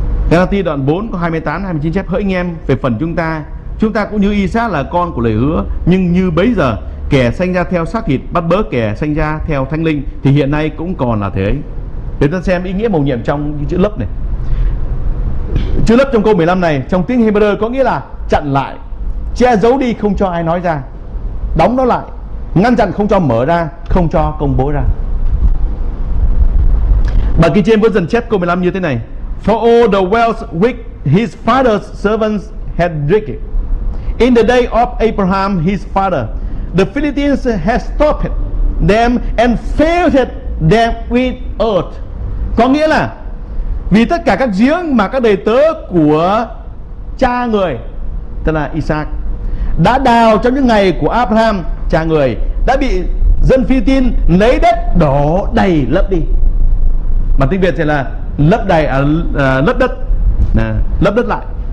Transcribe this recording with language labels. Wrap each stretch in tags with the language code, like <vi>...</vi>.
<vi>Galati đoạn 4 có 28-29 chép: hỡi anh em, về phần chúng ta cũng như Isa là con của lời hứa, nhưng như bấy giờ kẻ sanh ra theo xác thịt bắt bớ kẻ sanh ra theo Thánh Linh, thì hiện nay cũng còn là thế. Để ta xem ý nghĩa mầu nhiệm trong chữ lấp này. Chữ lấp trong câu 15 này trong tiếng Hebrew có nghĩa là chặn lại, che giấu đi, không cho ai nói ra, đóng nó lại, ngăn chặn, không cho mở ra, không cho công bố ra. Bà kia trên vẫn dần chép câu 15 như thế này:</vi> <en>for all the wells which his father's servants had drank in the day of Abraham his father, the Philistines had stopped them and filled them with earth.</en> <vi>Có nghĩa là vì tất cả các giếng mà các đầy tớ của cha người, tức là Isaac, đã đào trong những ngày của Abraham cha người, đã bị dân Philistine lấy đất đổ đầy lấp đi. Mà tiếng Việt thì là lấp đầy, lấp đất, lấp đất lại.</vi>